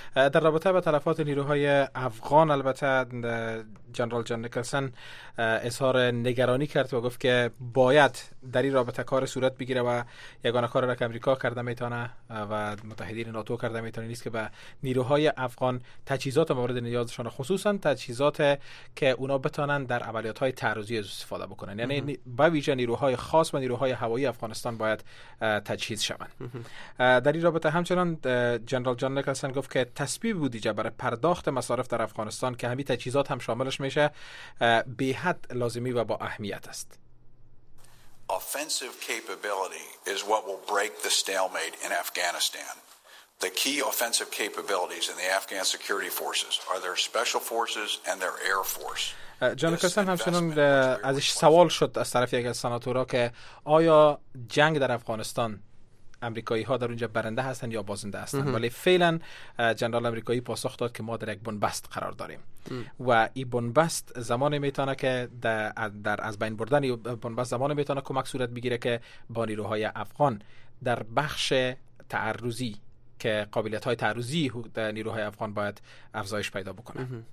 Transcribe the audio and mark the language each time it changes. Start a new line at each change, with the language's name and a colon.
Persian: در رابطه با تلفات نیروهای افغان، البته جنرال جان نیکلسن اظهار نگرانی کرد و گفت که باید در این رابطه کار صورت بگیره و یگانه کار را که امریکا کرده میتونه و متحدین ناتو کرده میتونه نیست که به نیروهای افغان تجهیزات مورد نیازشان، خصوصا تجهیزات که اونا بتونن در عملیات های تعرضی استفاده بکنن، یعنی به ویژه نیروهای خاص و نیروهای هوایی افغانستان باید تجهیز شوند. در این رابطه همچنان جنرال جان نیکلسن گفت که تصویب بودجه برای پرداخت مصارف در افغانستان که همین تجهیزات هم شامل میشه بی حد لازمی و با اهمیت است.
English: Offensive capability is what will break the stalemate in Afghanistan. The key offensive capabilities in the Afghan security forces are their special forces and their air force.
Persian: جان کسن همچنان ازش سوال شد از طرف یک از سناتورها که آیا جنگ در افغانستان امریکایی ها در اونجا برنده هستن یا بازنده هستن. ولی فعلا جنرال امریکایی پاسخ داد که ما در یک بنبست قرار داریم و این بنبست زمانی میتونه که در از بین بردن بنبست زمانی میتونه کمک صورت بگیره که با نیروهای افغان در بخش تعرضی که قابلیت های تعرضی نیروهای افغان باید افزایش پیدا بکنه.